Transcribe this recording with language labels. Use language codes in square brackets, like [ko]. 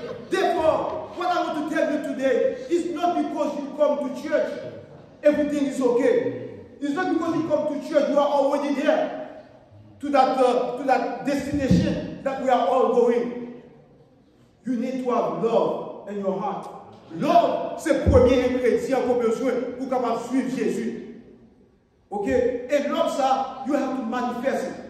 [fr] D'abord, [en] what I want to tell you today is not because you come to church. Everything is okay. It's not because you come to church, you are already there to that destination that we are all going. You need to have love in your heart. [fr] Love, c'est le premier ingrédient qu'on a besoin pour capable de suivre Jésus. [en] Okay? [fr] Et love, ça, [en] you have to manifest it.